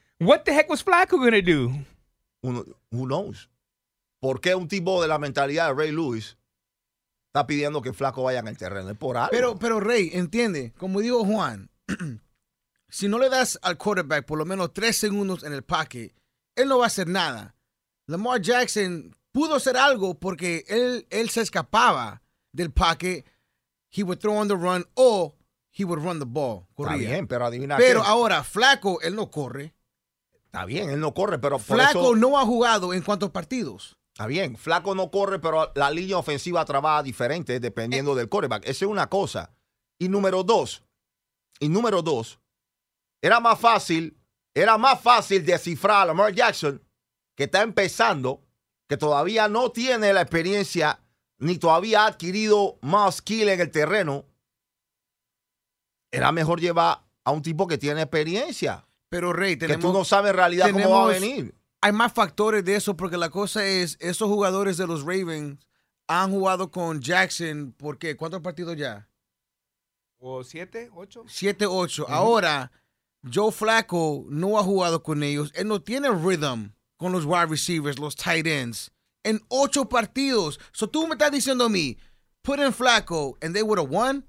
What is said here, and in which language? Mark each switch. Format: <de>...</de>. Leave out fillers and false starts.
<en>What the heck was Flaco going to do? Who knows?</en> <es>¿Por qué un tipo de la mentalidad de Ray Lewis está pidiendo que Flaco vaya en el terreno? Es por algo. Pero Ray, entiende, como dijo Juan, si no le das al quarterback por lo menos 3 segundos en el pocket, él no va a hacer nada. Lamar Jackson pudo hacer algo porque él se escapaba del pocket.</es> <en>He would throw on the run o he would run the ball.</en> <es>Corría. Está bien, pero adivina qué. Pero ahora, Flaco, él no corre. Está bien, él no corre, pero por Flaco eso no ha jugado en cuántos partidos. Está bien, Flaco no corre, pero la línea ofensiva trabaja diferente dependiendo del quarterback. Esa es una cosa. Y número dos, era más fácil descifrar a Lamar Jackson, que está empezando, que todavía no tiene la experiencia ni todavía ha adquirido más skill en el terreno. Era mejor llevar a un tipo que tiene experiencia. Pero, Ray, que tú no sabes en realidad cómo va a venir. Hay más factores de eso, porque la cosa es, esos jugadores de los Ravens han jugado con Jackson, ¿por qué? ¿Cuántos partidos ya? ¿O 7, 8? 7, 8. Uh-huh. Ahora, Joe Flacco no ha jugado con ellos. Él no tiene rhythm con los wide receivers, los tight ends, en 8 partidos.</es> <en>So</en> <es>tú me estás diciendo a mí,</es> <en>put in Flacco and they would have won?</en>